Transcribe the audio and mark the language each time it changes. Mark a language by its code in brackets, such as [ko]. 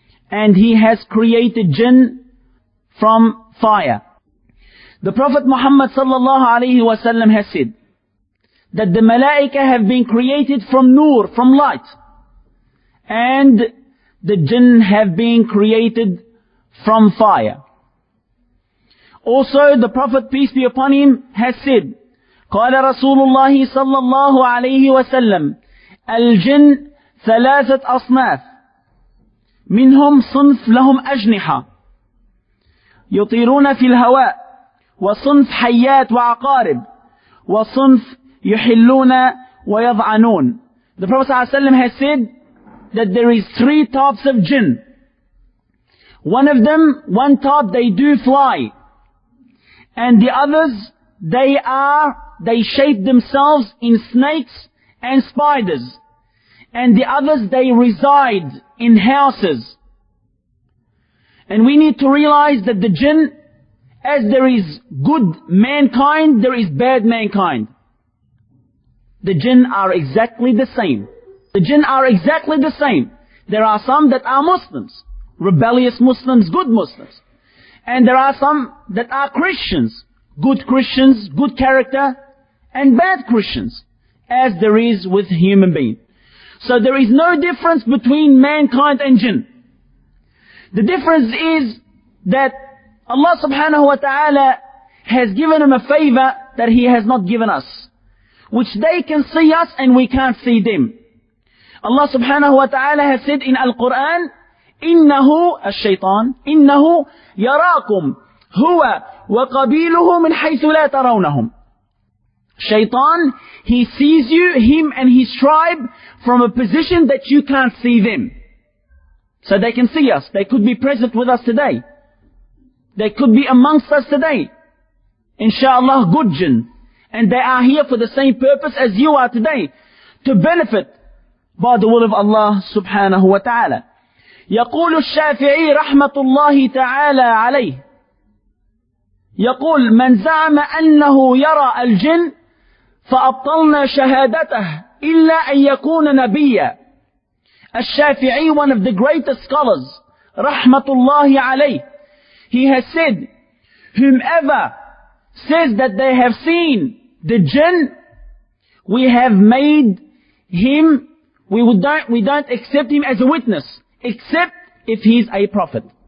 [en] And He has created jinn from fire. The Prophet Muhammad sallallahu alayhi wa sallam has said that the malaika have been created from nur, from light. And the jinn have been created from fire. Also, the Prophet, peace be upon him, has said, [ar] قَالَ رَسُولُ اللَّهِ صَلَّى اللَّهُ عَلَيْهِ وَسَلَّمُ الْجِنْ ثَلَاثَةْ أَصْنَافِ مِنْهُمْ صُنْفْ لَهُمْ أَجْنِحَ يُطِيرُونَ فِي الْهَوَاء وَصُنْفْ حَيَّاتْ وَعَقَارِبْ وَصُنْفْ يُحِلُّونَ وَيَضْعَنُونَ [en] The Prophet ﷺ has said that there is three types of jinn. One of them, one type, they do fly. And the others, they shape themselves in snakes and spiders. And the others, they reside in houses. And we need to realize that the jinn, as there is good mankind, there is bad mankind. The jinn are exactly the same. The jinn are exactly the same. There are some that are Muslims. Rebellious Muslims, good Muslims. And there are some that are Christians. Good Christians, good character. and bad Christians, as there is with human beings. So there is no difference between mankind and jinn. The difference is that Allah subhanahu wa ta'ala has given him a favor that he has not given us, which they can see us and we can't see them. Allah subhanahu wa ta'ala has said in Al-Quran, [ar] إِنَّهُ الشَّيْطَانِ إِنَّهُ يَرَاكُمْ هُوَ وَقَبِيلُهُ مِنْ حَيْثُ لَا تَرَوْنَهُمْ. [en] Shaitan, he sees you, him and his tribe, from a position that you can't see them. So they can see us. They could be present with us today. They could be amongst us today. InshaAllah, good jinn. And they are here for the same purpose as you are today, to benefit by the will of Allah subhanahu wa ta'ala. [ar] يقول الشافعي رحمة الله تعالى عليه يقول من زعم أنه يرى الجن فأبطلنا شهادته إلا أن يكون نبيا. [en] الشافعي, one of the greatest scholars, [ar] رحمة الله عليه, [en] he has said, whomever says that they have seen the jinn, we have made him, we don't accept him as a witness, except if he's a prophet.